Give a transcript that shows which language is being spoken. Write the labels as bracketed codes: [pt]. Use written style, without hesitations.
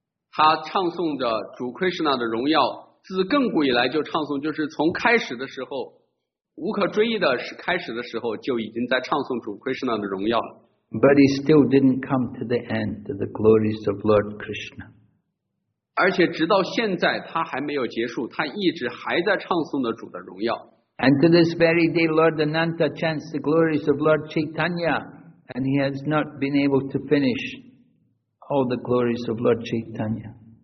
[zh] 他唱颂着主Krishna的荣耀，自亘古以来就唱颂，就是从开始的时候，无可追忆的开始的时候，就已经在唱颂主Krishna的荣耀了。 [en] But he still didn't come to the end of the glories of Lord Krishna. [zh] 而且直到现在，他还没有结束，他一直还在唱颂着主的荣耀。 [en] And to this very day, Lord Ananta chants the glories of Lord Chaitanya, and he has not been able to finish all the glories of Lord Chaitanya.